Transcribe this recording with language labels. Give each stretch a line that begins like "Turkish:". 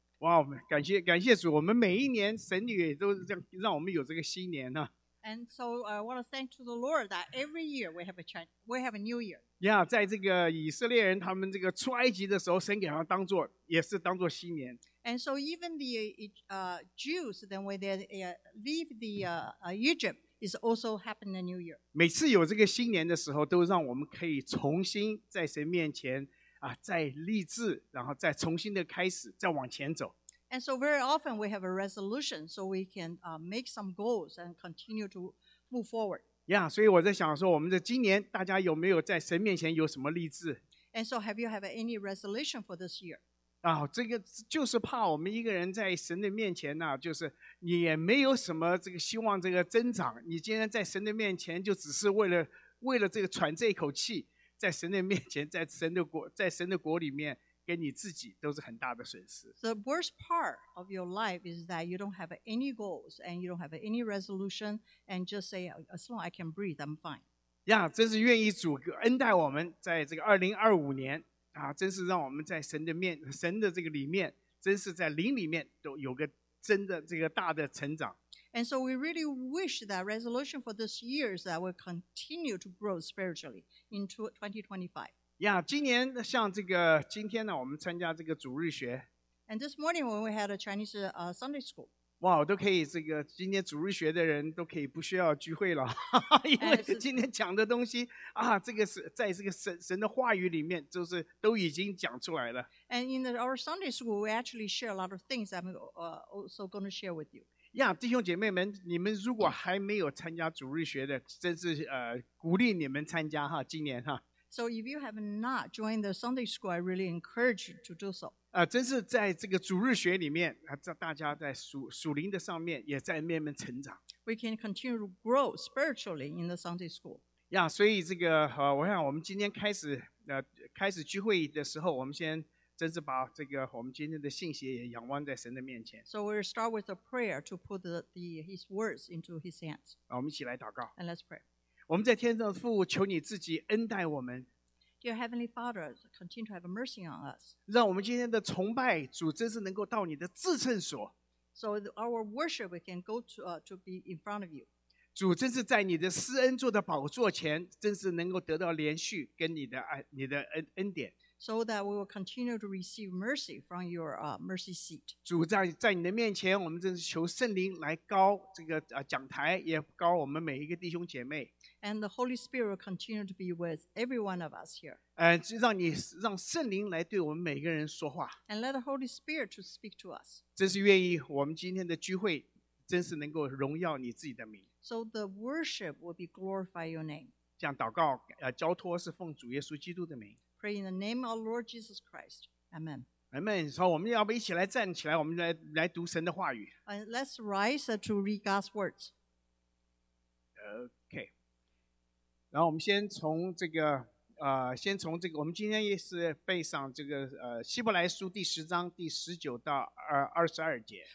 Chinese: 哇，感谢主，我们每一年神也都是这样，让我们有这个新年呢、啊。
English: And so I want to thank to the Lord that every year we have a New Year.
Chinese: Yeah, 在这个以色列人他们这个出埃及的时候，神给他当做也是当做新年。
English: And so even the Jews, then when they leave the Egypt, is also happening a New Year.
Chinese: 每次有这个新年的时候，都让我们可以重新在神面前。啊、再立志然后再重新的开始再往前走
English: and so very often we have a resolution so we can make some goals and continue to move forward
Chinese: yeah 所以我在想说我们的今年大家有没有在神面前有什么立志
English: and so have you have any resolution for this year、
Chinese: 啊、这个就是怕我们一个人在神的面前、啊、就是你也没有什么这个希望这个增长你今天在神的面前就只是为了这个喘这一口气在神的面前在神的国在神的国里面跟你自己都是很大的损失
English: The worst part of your life is that you don't have any goals and you don't have any resolution and just say as long as I can breathe I'm fine
Chinese: 呀、yeah, 真是愿意主恩待我们在这个2025年、啊、真是让我们在神的面神的这个里面真是在灵里面都有个真的这个大的成长
English: And so we really wish that resolution for this year is that we continue to grow spiritually in 2025.
Chinese: Yeah, 今年像这个今天呢我们参加这个主日学
English: And this morning when we had a Chinese Sunday school.
Chinese: Wow, 都可以这个今天主日学的人都可以不需要聚会了因为今天讲的东西啊这个是在这个 神的话语里面就是都已经讲出来了
English: And in our Sunday school, we actually share a lot of things I'm also going to share with you.
Chinese: Yeah, 弟兄姐妹们你们如果还没有参加主日学的真是鼓励你们参加哈今年哈。
English: So if you have not joined the Sunday school, I really encourage you to do so.
Chinese: 真是在这个主日学里面大家在 属灵的上面也在慢慢成长。
English: We can continue to grow spiritually in the Sunday school.
Chinese: Yeah, 所以这个、我想我们今天开始聚会的时候我们先真是把这个我们今天的信息也仰望在神的面前。
English: So we'll start with a prayer to put his words into his hands.
Chinese: 我们一起来祷告。
English: And let's pray.
Chinese: 我们在天上的父求你自己恩待我们。
English: Dear Heavenly Father, continue to have mercy on us.
Chinese: 让我们今天的崇拜主真是能够到你的至圣所。
English: So our worship we can go to be in front of you.
Chinese: 主真是在你的施恩座的宝座前真是能够得到连续跟你的 恩典。
English: So that we will continue to receive mercy from your mercy seat.
Chinese: 主在你的面前，我们真是求圣灵来高这个讲台，也高我们每一个弟兄姐妹。
English: And the Holy Spirit will continue to be with every one of us here.
Chinese: 让圣灵来对我们每个人说话。
English: And let the Holy Spirit to speak to us.
Chinese: 真是愿意我们今天的聚会，真是能够荣耀你自己的名。
English: So the worship will be glorify your name.
Chinese: 这样祷告，交托是奉主耶稣基督的名。
English: Pray in the name of Lord Jesus Christ. Amen. Amen.
Chinese: 好，我们要不一起来站起来，我们来读神的话语。
English: Let's rise to read God's words. Okay.
Chinese: 然后我们先从这个先从这个，我们今天也是背上这个希伯来书第十章第十九到22节。